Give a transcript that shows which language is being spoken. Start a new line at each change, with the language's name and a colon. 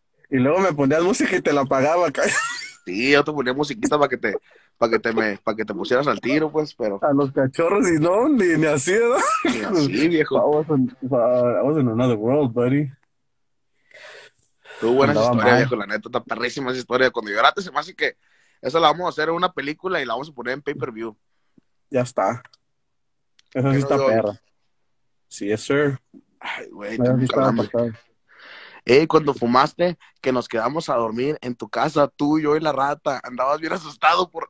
Spanish: Y luego me ponías música y te la apagaba. Sí, yo te ponía musiquita para que te pusieras al tiro, pues, pero... A los cachorros y no, ni así, ¿no? Ni así, viejo.
English: I was in another world, buddy.
Spanish: Tú, buenas andaba historias, mal. Viejo, la neta, está perrísima esa historia. Cuando lloraste, se me hace que esa la vamos a hacer en una película y la vamos a poner en pay-per-view. Ya está. Esa sí está perra. Sí,
English: yes, sir.
Spanish: Ay, güey, tengo calambre. Cuando fumaste, que nos quedamos a dormir en tu casa, tú, yo y la rata, andabas bien asustado por...